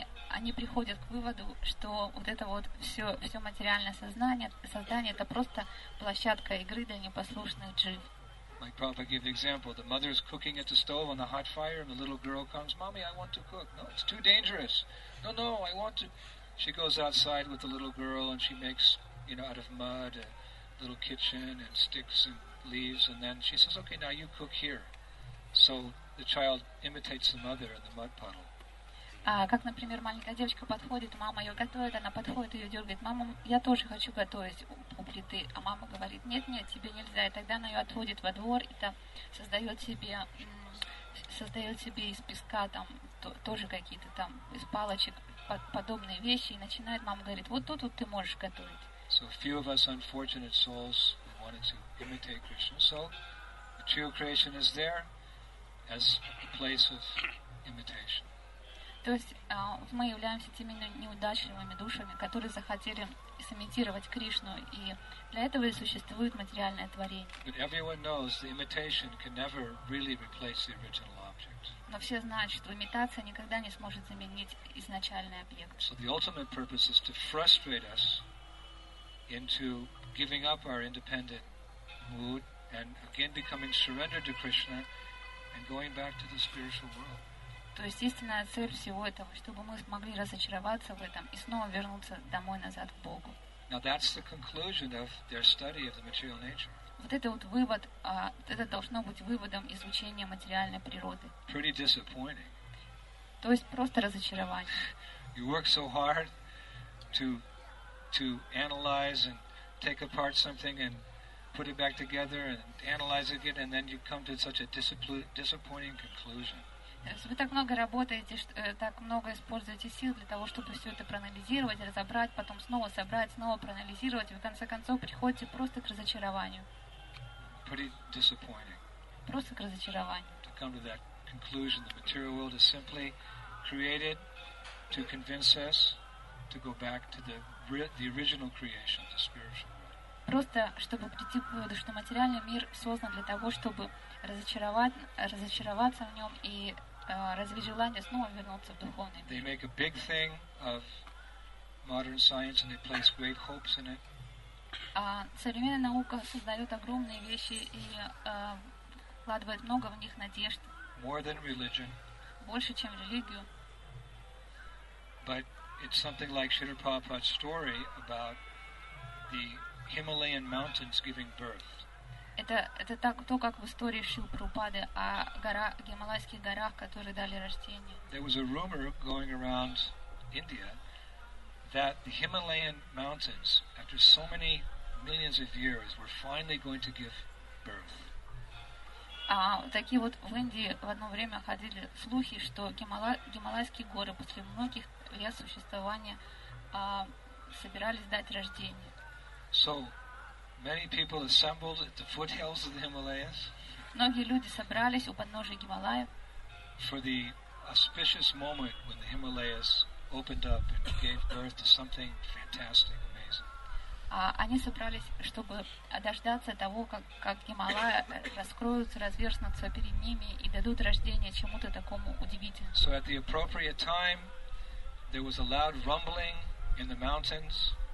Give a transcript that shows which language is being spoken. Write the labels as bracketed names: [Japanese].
[Russian] Они приходят к выводу, что вот это вот все материальное создание это просто площадка игры для непослушных джив. [English] Like Prabhupada gave the example, the mother is cooking at the stove on the hot fire, and the little girl comes, "Mommy, I want to cook." "No, it's too dangerous." "No, no, I want to." She goes outside with the little girl, and she makes, you know, out of mud, a little kitchen and sticks and leaves, and then she says, "Okay, now you cook here." So the child imitates the mother in the mud puddle. [Russian] Как, например, маленькая девочка подходит, мама ее готовит, она подходит, ее дергает, мама, я тоже хочу готовить у плиты, а мама говорит, нет, тебе нельзя, и тогда она ее отводит во двор и там создает себе из песка там тоже какие-то там из палочек подобные вещи и начинает, мама говорит, вот тут вот ты можешь готовить. [English] So few of us unfortunate souls wanted to imitate Krishna, so the true creation is there as a place of imitation. [Russian] То есть мы являемся теми неудачливыми душами, которые захотели сымитировать Кришну, и для этого и существует материальное творение. Но все знают, что имитация никогда не сможет заменить изначальный объект. [English] So the ultimate purpose is to frustrate us into giving up our independent mood and again becoming surrendered to Krishna and going back to the spiritual world. [Russian] То есть истинная цель всего этого, чтобы мы смогли разочароваться в этом и снова вернуться домой назад к Богу. [English] Now that's the conclusion of their study of the material nature. [Russian] Вот это вот вывод, это должно быть выводом из учения материальной природы. [English] Pretty disappointing. [Russian] То есть просто разочарование. [English] You work so hard to analyze and take apart something and put it back together and analyze it again, and then you come to such a disappointing conclusion. [Russian] Вы так много работаете, так много используете сил для того, чтобы все это проанализировать, разобрать, потом снова собрать, снова проанализировать, и в конце концов приходите просто к разочарованию. [English] Pretty disappointing. [Russian] Просто к разочарованию. [English] To come to that conclusion, the material world is simply created to convince us to go back to the original creation, the spiritual. [Russian] Просто чтобы прийти к выводу, что материальный мир создан для того, чтобы разочароваться в нем и развить желание снова вернуться в духовный мир. [English] They make a big thing of modern science and they place great hopes in it. [Russian] Современная наука создает огромные вещи и вкладывает много в них надежд. [English] More than religion. [Russian] Больше, чем религию. [English] But it's something like Śrīla Prabhupāda's story about the Himalayan mountains giving birth. [Russian] Это так то, как в истории Шрилы Прабхупады о Гималайских горах, которые дали рождение. [English] There was a rumor going around India that the Himalayan mountains, after so many millions of years, were finally going to give birth. [Russian] Такие вот в Индии в одно время ходили слухи, что Гималайские горы после многих лет существования собирались дать рождение. [English] So many people assembled at the foothills of the Himalayas. [Russian] Многие люди собрались у подножия Гималаев. [English] For the auspicious moment when the Himalayas opened up and gave birth to something fantastic, amazing. [Russian] Они собрались, чтобы дождаться того, как Гималаи раскроются, разверзнутся перед ними и дадут рождение чему-то такому удивительному. [English] So at the appropriate time, there was a loud rumbling in the mountains.